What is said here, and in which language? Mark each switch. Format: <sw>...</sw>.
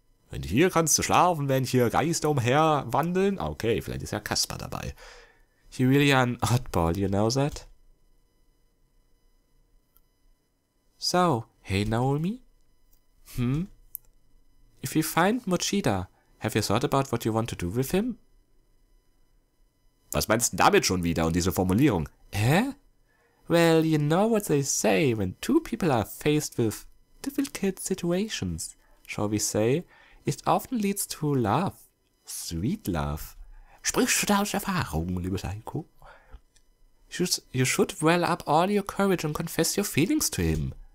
<de>Wenn hier kannst du schlafen, wenn hier Geister umher wandeln. Okay, vielleicht ist ja Kasper dabei.</de> <en>You really are an oddball, you know that? So, hey Naomi. If you find Mochida, Have you thought about what you want to do with him?</en> <de>Was meinst du damit schon wieder und diese Formulierung? Hä?</de> <en>Well, you know what they say when two people are faced with difficult situations. Shall we say, it often leads to love. Sweet love.</en> <de>Sprichst du da aus Erfahrung, liebe Psycho?</de> <en>You should well up all your courage and confess your feelings to him.</en>